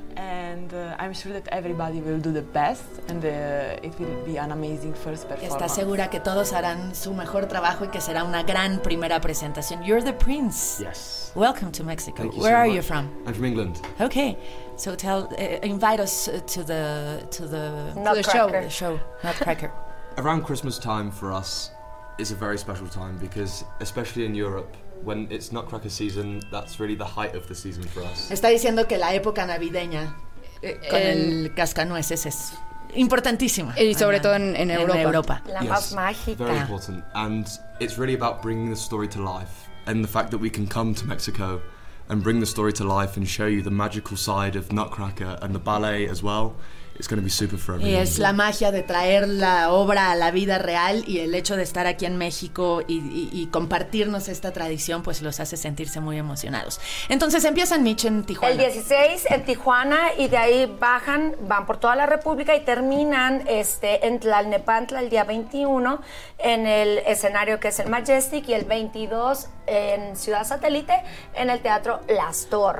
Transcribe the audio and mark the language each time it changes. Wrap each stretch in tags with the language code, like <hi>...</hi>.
<en>And I'm sure that everybody will do the best and it will be an amazing first performance.</en> <es>Está segura que todos harán su mejor trabajo y que será una gran primera presentación.</es> <en>You're the prince. Yes. Welcome to Mexico. Thank you. Where so are much. You from? I'm from England. Okay, so tell, invite us to the show. Nutcracker. Around Christmas time for us is a very special time because, especially in Europe, when it's Nutcracker season, that's really the height of the season for us.</en> <es>Está diciendo que la época navideña con el cascanueces es importantísima. Y sobre todo en Europa. En Europa. La</es> <en>yes,</en> <es>más mágica.</es> <en>Very important, and it's really about bringing the story to life. And the fact that we can come to Mexico and bring the story to life and show you the magical side of Nutcracker and the ballet as well, it's going to be super for everyone.</en> <es>Y es la magia de traer la obra a la vida real y el hecho de estar aquí en México y compartirnos esta tradición, pues los hace sentirse muy emocionados. Entonces empiezan, Mitch, en Tijuana. El 16 en Tijuana y de ahí bajan, van por toda la República y terminan en Tlalnepantla el día 21 en el escenario que es el Majestic y el 22 en Ciudad Satélite en el Teatro Las Torres.</es>